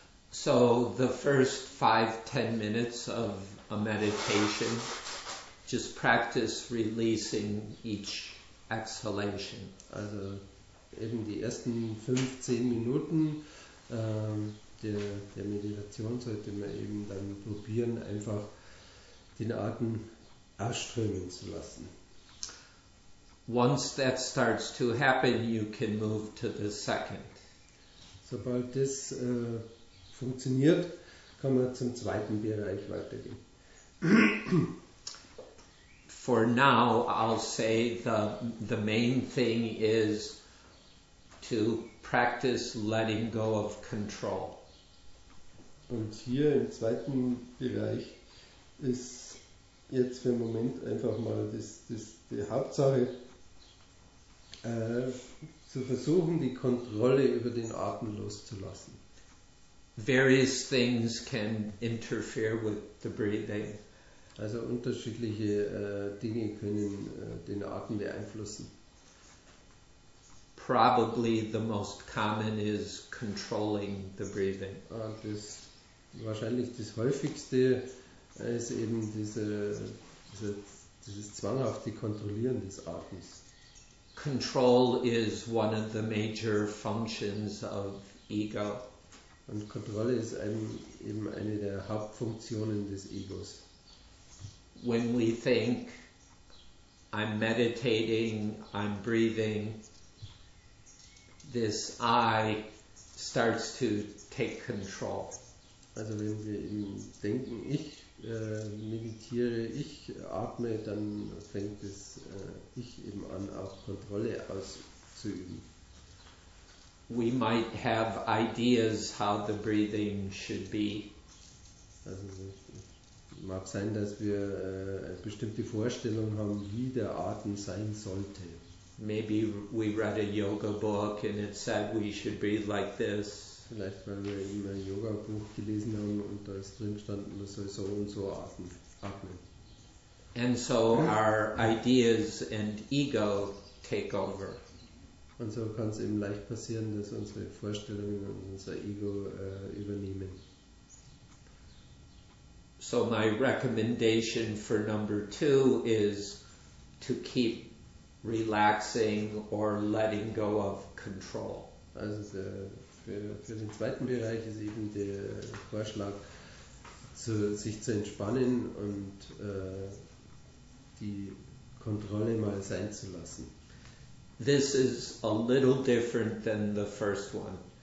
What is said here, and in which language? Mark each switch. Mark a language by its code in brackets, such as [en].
[en] So the first 5-10 minutes of a meditation, just practice releasing each exhalation. [de] Also eben die ersten 5-10 Minuten der Meditation sollte man eben dann probieren, einfach den Atem ausströmen zu lassen. [en] Once that starts to happen, you can move to the second. [de] Sobald das funktioniert, kann man zum zweiten Bereich weitergehen. [en] For now, I'll say the main thing is to practice letting go of control. [de] Und hier im zweiten Bereich ist jetzt für den Moment einfach mal die Hauptsache, zu versuchen, die Kontrolle über den Atem loszulassen. [en] Various things can interfere with the breathing. [de] Also unterschiedliche Dinge können den Atem beeinflussen. [en] Probably the most common is controlling the breathing. [de] Wahrscheinlich das häufigste ist eben dieses zwanghafte Kontrollieren des Atems. [en] Control is one of the major functions of ego. [de] Und Kontrolle ist eben eine der Hauptfunktionen des Egos. [en] When we think, I'm meditating, I'm breathing, this I starts to take control. [de] Also wenn wir eben denken, ich meditiere, ich atme, dann fängt es ich eben an, auch Kontrolle auszuüben. [en] We might have ideas how the breathing should be. [de] Also mag sein, dass wir bestimmte Vorstellungen haben, wie der Atem sein sollte. [en] Maybe we read a yoga book and it said we should breathe like this. [de] Vielleicht, weil wir eben ein Yoga-Buch gelesen haben und da ist drin gestanden, man soll so und so atmen. [en] And so our ideas and ego take over. [de] Und so kann es eben leicht passieren, dass unsere Vorstellungen und unser Ego übernehmen. [en] So my recommendation for number two is to keep relaxing or letting go of control. [de] Also für den zweiten Bereich ist eben der Vorschlag, sich zu entspannen und die Kontrolle mal sein zu lassen. [en] This is a little different than the first one.